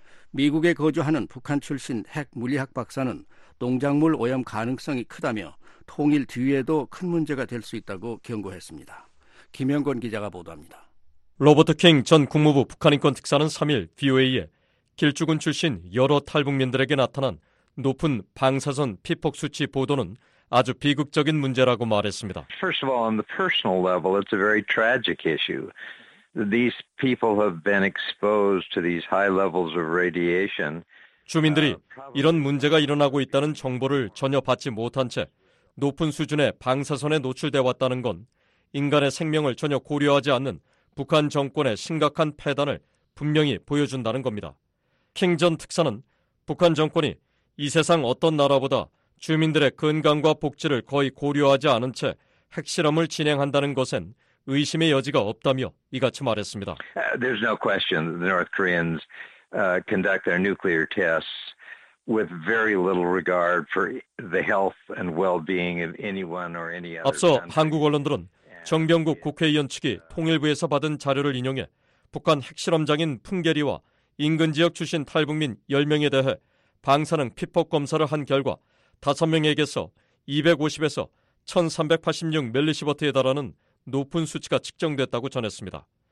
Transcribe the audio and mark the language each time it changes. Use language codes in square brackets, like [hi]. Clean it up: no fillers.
[ko] 미국에 거주하는 북한 출신 핵 물리학 박사는 농작물 오염 가능성이 크다며 통일 뒤에도 큰 문제가 될 수 있다고 경고했습니다. 김영건 기자가 보도합니다. 로버트 킹 전 국무부 북한인권특사는 3일 VOA에 길주군 출신 여러 탈북민들에게 나타난 높은 방사선 피폭 수치 보도는 아주 비극적인 문제라고 말했습니다. [en] First of all, on the personal level, it's a very tragic issue. These people have been exposed to these high levels of radiation. [ko] 주민들이 이런 문제가 일어나고 있다는 정보를 전혀 받지 못한 채 높은 수준의 방사선에 노출돼 왔다는 건 인간의 생명을 전혀 고려하지 않는 북한 정권의 심각한 패단을 분명히 보여준다는 겁니다. 킹 전 특사는 북한 정권이 이 세상 어떤 나라보다 주민들의 건강과 복지를 거의 고려하지 않은 채 핵실험을 진행한다는 것은 의심의 여지가 없다며 이같이 말했습니다. [en] There's no question the North Koreans conduct their nuclear tests with very little regard for the health and well-being of anyone or any other. [ko] 앞서 한국 언론들은 정병국 국회의원 측이 통일부에서 받은 자료를 인용해 북한 핵실험장인 풍계리와 인근 지역 출신 탈북민 10명에 대해 방사능 피폭 검사를 한 결과 5명에게서 250에서 1386 멜리시버트에 달하는 높은 수치가 측정됐다고 전했습니다.